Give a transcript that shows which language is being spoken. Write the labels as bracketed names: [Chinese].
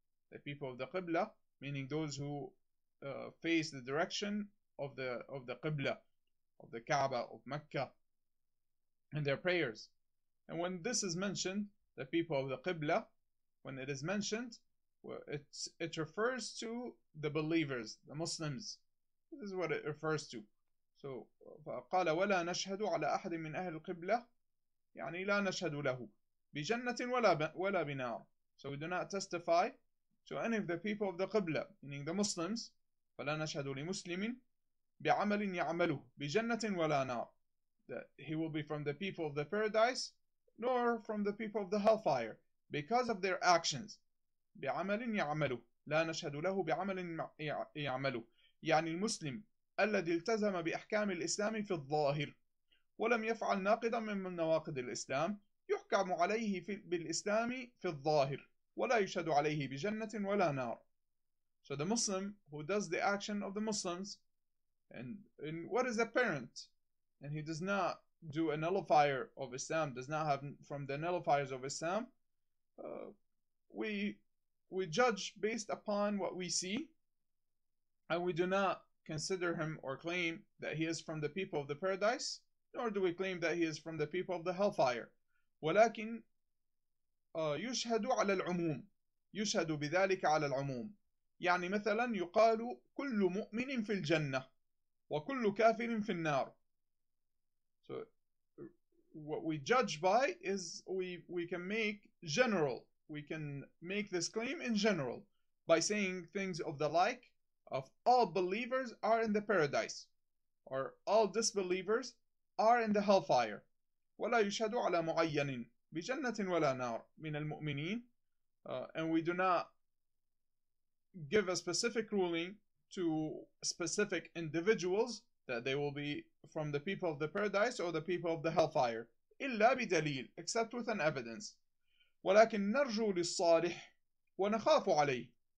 [English] The people of the Qibla, meaning those who face the direction of the Qibla, of the Kaaba, of Mecca, and their prayers. And when this is mentioned, the people of the Qibla, when it is mentioned, it refers to the believers, the Muslims. This is what it refers to. So, [Arabic] فقال ولا نشهد على أحد من أهل القبلة, يعني لا نشهد له بجنة ولا بنار. [English] So we do not testify to any of the people of the قبلة, meaning the Muslims, [Arabic] فلا نشهد لمسلم بعمل يعمله بجنة ولا نار, [English] that he will be from the people of the paradise, nor from the people of the hellfire, because of their actions. [Arabic] بعمل يعمله لا نشهد له بعمل يعمله, يعني المسلم الذي التزم بأحكام الإسلام في الظاهر ولم يفعل ناقضا من نواقض الإسلام يحكم عليه بالإسلام في الظاهر ولا يشهد عليه بجنة ولا نار. [English] So the Muslim who does the action of the Muslims and what is apparent, and he does not do a nullifier of Islam, does not have from the nullifiers of Islam, we judge based upon what we see, and we do not consider him or claim that he is from the people of the paradise, nor do we claim that he is from the people of the hellfire. [Arabic] ولكن يشهد على العموم, يشهد بذلك على العموم, يعني مثلا يقال كل مؤمن في الجنة وكل كافر في النار. [English] So what we judge by is we can make general, we can make this claim in general by saying things of the like of all believers are in the paradise or all disbelievers are in the hellfire. [Arabic] ولا يشهد على معين بجنة ولا نار من المؤمنين. [English] And we do not give a specific ruling to specific individuals that they will be from the people of the paradise or the people of the hellfire. [Arabic] إلا بدليل, [English] except with an evidence. [Arabic] ولكن نرجو للصالح ونخاف عليه.